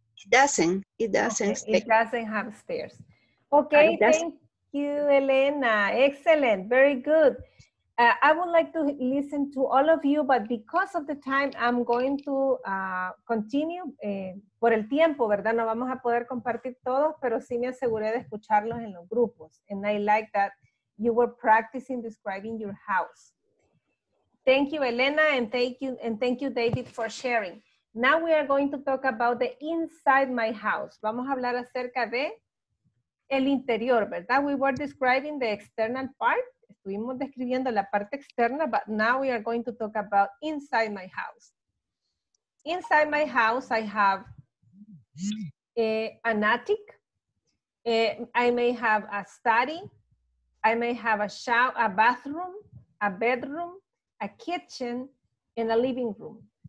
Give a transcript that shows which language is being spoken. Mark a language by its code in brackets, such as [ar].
[en] It doesn't have stairs. Okay, thank you, Elena. Excellent, very good. I would like to listen to all of you, but because of the time, I'm going to continue. [es] Por el tiempo, ¿verdad? No vamos a poder compartir todos, pero sí me aseguré de escucharlos en los grupos. [en] And I like that you were practicing describing your house. Thank you, Elena, and thank you, David, for sharing. Now we are going to talk about the inside my house. [es] Vamos a hablar acerca de el interior, ¿verdad? [en] We were describing the external part. [es] Estuvimos describiendo la parte externa, [en] but now we are going to talk about inside my house. Inside my house, I have an attic. I may have a study. I may have a shower, a bathroom, a bedroom, a kitchen, and a living room.